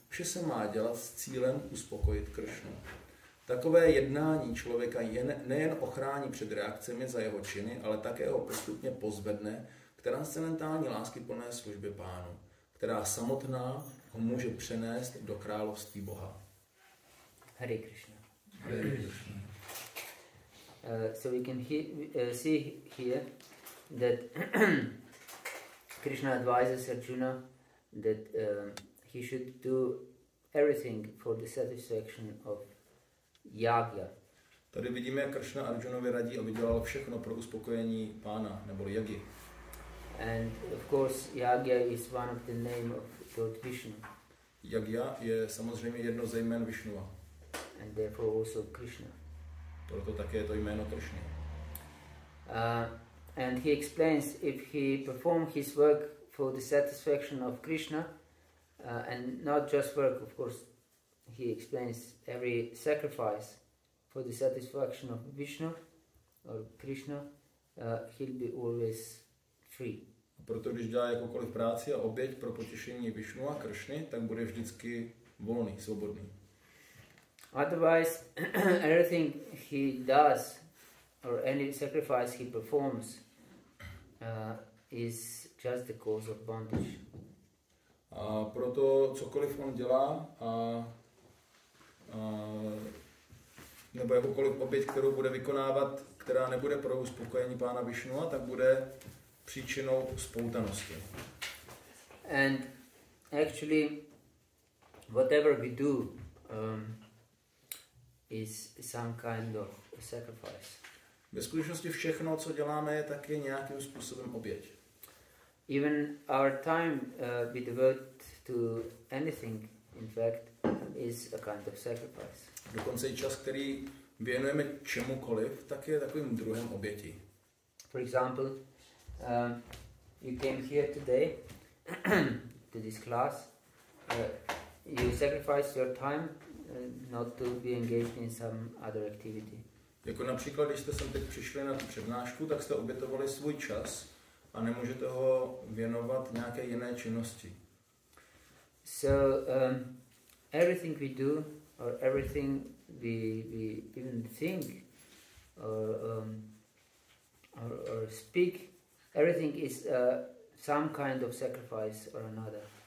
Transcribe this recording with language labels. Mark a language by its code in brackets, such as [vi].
[cs] vše se má dělat s cílem uspokojit Kršnu. Takové jednání člověka nejen ochrání před reakcemi za jeho činy, ale také ho postupně pozvedne k transcendentální lásky plné služby pánu, která samotná ho může přenést do království Boha. [sa] Hare Krishna. Hare Krishna. [en] So we can see here that Krishna advises Arjuna that he should do everything for the satisfaction of Yagya. [cs] Tady vidíme, jak Krishna Arjunovi radí, aby dělal všechno pro uspokojení pána, neboli Yagi. [en] And of course, Yagya is one of the name of God Vishnu. [cs] Yagya je samozřejmě jedno ze jmén Vishnua. [en] And therefore also Krishna. [cs] Proto také je to jméno Krishna. [en] And he explains, if he perform his work for the satisfaction of Krishna, and not just work, of course, he explains every sacrifice for the satisfaction of Vishnu or Krishna, he'll be always free. [cs] A proto když dělá jakoukoliv práci a oběť pro potěšení Vishnu a Krishny, tak bude vždycky volný, svobodný. [en] Otherwise, everything he does or any sacrifice he performs is just the cause of bondage. [cs] A proto cokoliv on dělá a nebo jakoukoliv oběť, kterou bude vykonávat, která nebude pro uspokojení pána Vishnu, tak bude příčinou spoutanosti. [en] And actually whatever we do is some kind of sacrifice. [cs] Ve skutečnosti všechno, co děláme, je taky nějakým způsobem oběť. [en] Even our time we devote to anything in fact is a kind of sacrifice. [cs] Dokonce i čas, který věnujeme čemukoliv, tak je takovým druhem oběti. [en] For example, you came here today to this class. You sacrificed your time not to be engaged in some other activity. [cs] Jako například, když jste sem teď přišli na tu přednášku, tak jste obětovali svůj čas a nemůžete ho věnovat nějaké jiné činnosti. [en] So everything we do, or everything we even think, or speak, everything is some kind of sacrifice or another.